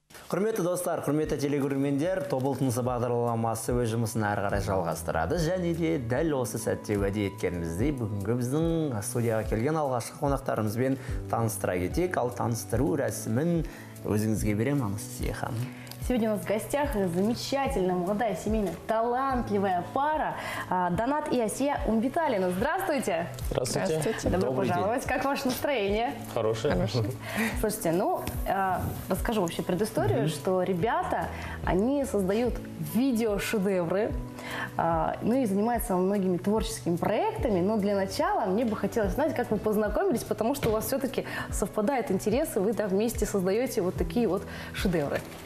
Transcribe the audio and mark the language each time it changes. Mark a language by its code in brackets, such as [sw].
[kk] Құрметті достар, құрметті телекөрермендер, тобылтыңызды бағдарламасы өз жұмысын әрі қарай жалғастырады. Және де дәл осы сәтте уәде еткеніміздей, бүгінгі біздің студияға келген алғашқы қонақтарымызбен таныстыра кетейік. Ал таныстыру рәсімін өзіңізге берем, Анастасия ханым. [ru] Сегодня у нас в гостях замечательная молодая семейная талантливая пара Донат и Асия Умбиталина. Здравствуйте! Здравствуйте! Здравствуйте. Добро Добрый пожаловать! День. Как ваше настроение? Хорошее. Хорошее. Слушайте, ну, расскажу вообще предысторию, mm-hmm. что ребята, они создают видеошедевры, ну и занимаются многими творческими проектами, но для начала мне бы хотелось знать, как вы познакомились, потому что у вас все-таки совпадают интересы, вы там вместе создаете вот такие вот шедевры.